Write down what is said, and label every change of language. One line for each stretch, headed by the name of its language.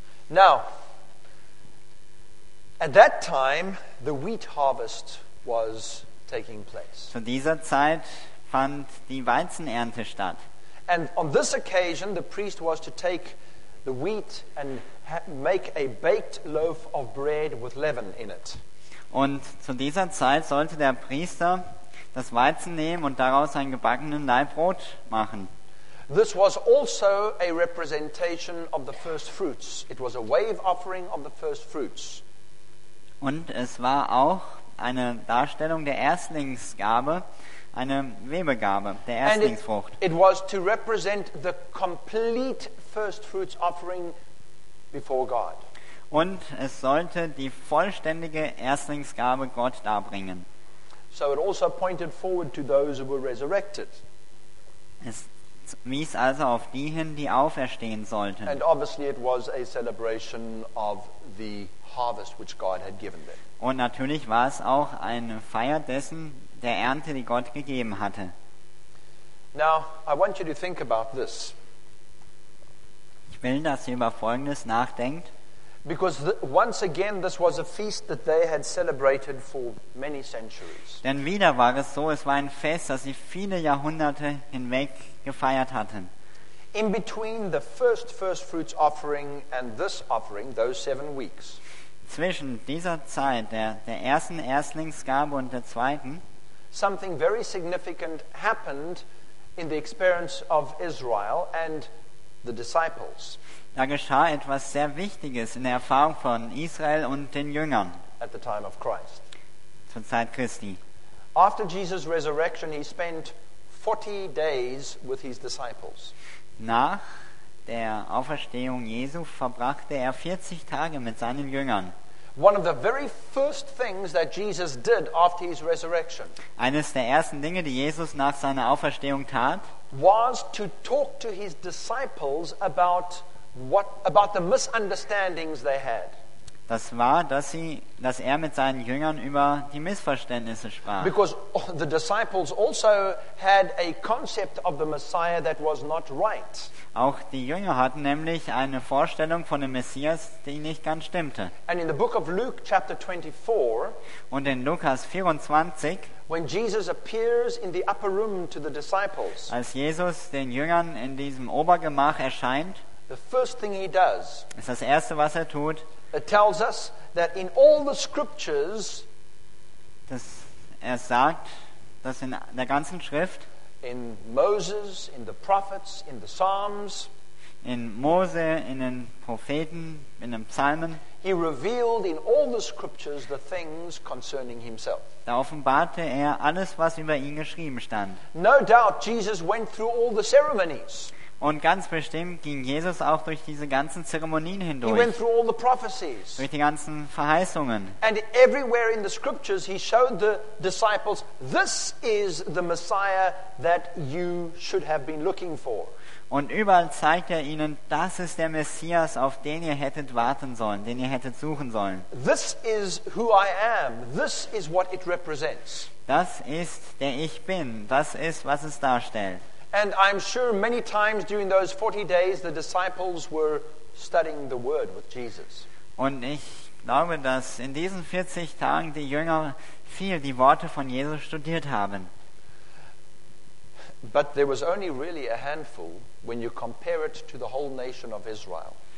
English: Now, at that time the wheat harvest was taking place.
German: Zu dieser Zeit fand die Weizenernte statt.
English: And on this occasion the priest was to take the wheat and make a baked loaf of bread with leaven in it.
German: Und zu dieser Zeit sollte der Priester das Weizen nehmen und daraus einen gebackenen Leibbrot machen.
English: This was also a representation of the first fruits. It was a wave offering of the first fruits.
German: Und es war auch eine Darstellung der Erstlingsgabe, eine Webegabe der Erstlingsfrucht.
English: It was to represent the complete first fruits offering before God.
German: Und es sollte die vollständige Erstlingsgabe Gott darbringen.
English: So it also pointed forward to those who were resurrected.
German: Es wies also auf die hin, die auferstehen sollten.
English: And obviously it was a celebration of the harvest which God had given them.
German: Und natürlich war es auch eine Feier dessen, der Ernte, die Gott gegeben hatte.
English: Now, I want you to think about this.
German: Ich will, dass ihr über Folgendes nachdenkt.
English: Because once again this was a feast that they had celebrated for many centuries.
German: Denn wieder war es so, es war ein Fest, das sie viele Jahrhunderte hinweg gefeiert hatten.
English: In between the first fruits offering and this offering, those 7 weeks.
German: Zwischen dieser Zeit der ersten Erstlingsgabe und der zweiten,
English: something very significant happened in the experience of Israel and the disciples.
German: Da geschah etwas sehr Wichtiges in der Erfahrung von Israel und den Jüngern.
English: At the time of Christ.
German: Zur Zeit Christi.
English: After Jesus' resurrection, he spent 40 days with his disciples.
German: Nach der Auferstehung Jesu verbrachte er 40 Tage mit seinen Jüngern.
English: One of the very first things that Jesus did after his resurrection.
German: Eines der ersten Dinge, die Jesus nach seiner Auferstehung tat,
English: was to talk to his disciples about what about the misunderstandings they had.
German: Das war, dass er mit seinen Jüngern über die Missverständnisse sprach.
English: Because the disciples also had a concept of the Messiah that was not right.
German: Auch die Jünger hatten nämlich eine Vorstellung von dem Messias, die nicht ganz stimmte.
English: And in the book of Luke, chapter 24,
German: und in Lukas 24,
English: when Jesus appears in the upper room to the disciples,
German: als Jesus den Jüngern in diesem Obergemach erscheint,
English: the first thing he does,
German: ist das Erste, was er tut,
English: it tells us that in all the scriptures,
German: dass er sagt, dass in der ganzen Schrift,
English: in Moses, in the prophets, in the Psalms,
German: in Mose, in den Propheten, in den Psalmen,
English: he revealed in all the scriptures the things concerning himself.
German: Da offenbarte er alles, was über ihn geschrieben stand.
English: No doubt Jesus went through all the ceremonies.
German: Und ganz bestimmt ging Jesus auch durch diese ganzen Zeremonien hindurch.
English: He went through all the prophecies.
German: Durch die ganzen Verheißungen.
English: And everywhere in the scriptures he showed the disciples, this is the Messiah that you should have been looking for.
German: Und überall zeigt er ihnen, das ist der Messias, auf den ihr hättet warten sollen, den ihr hättet suchen sollen.
English: This is who I am. This is what it represents.
German: Das ist der Ich Bin. Das ist, was es darstellt.
English: And I'm sure many times during those 40 days the disciples were studying the word with Jesus.
German: Und ich glaube, dass in diesen 40 Tagen die Jünger viel die Worte von Jesus studiert haben.
English: But there was only really a handful when you compare it to the whole nation of Israel.